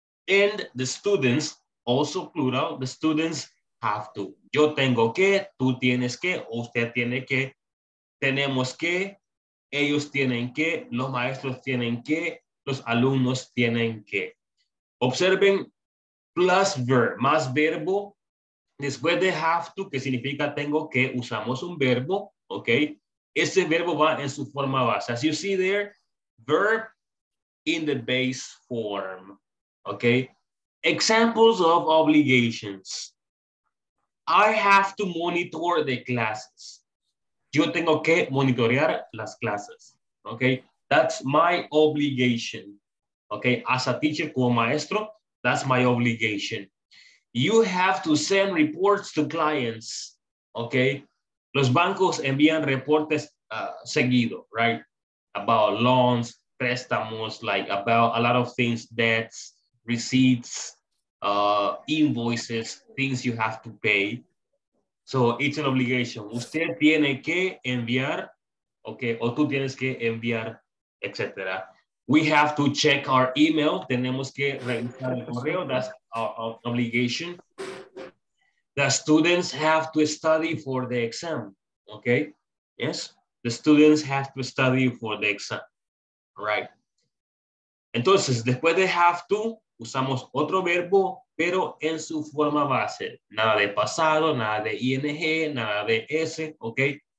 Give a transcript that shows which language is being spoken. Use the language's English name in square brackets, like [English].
[English] And the students, also plural, the students have to. [Spanish] Yo tengo que, tú tienes que, usted tiene que, tenemos que, ellos tienen que, los maestros tienen que, los alumnos tienen que. Observen. [English] Plus verb, [Spanish] más verbo, después de have to, que significa tengo que, usamos un verbo, ok. Ese verbo va en su forma base. [English] As you see there, verb in the base form, ok. Examples of obligations. I have to monitor the classes. [Spanish] Yo tengo que monitorear las clases, ok. [English] That's my obligation, ok. As a teacher, [Spanish] como maestro, [English] that's my obligation. You have to send reports to clients. Okay. [Spanish] Los bancos envían reportes seguido, [English] right? About loans, préstamos, like about a lot of things, debts, receipts, invoices, things you have to pay. So it's an obligation. [Spanish] Usted tiene que enviar, okay, o tú tienes que enviar, etc. [English] We have to check our email. [Spanish] Tenemos que revisar el correo. [English] That's our obligation. The students have to study for the exam, okay? Yes, the students have to study for the exam, right? [Spanish] Entonces, después de have to, usamos otro verbo, pero en su forma base. Nada de pasado, nada de ing, nada de s, okay?